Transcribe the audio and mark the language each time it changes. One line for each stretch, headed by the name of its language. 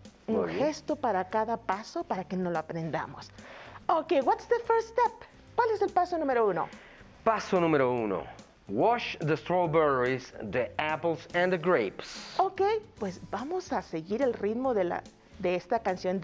Spanish: Un gesto para cada paso para que no lo aprendamos.
English: Ok, what's the first step?
Spanish: ¿Cuál es el paso número uno? Paso número uno.
English: Wash the strawberries, the apples and the grapes.
Spanish: Ok, pues vamos a seguir el ritmo de esta canción.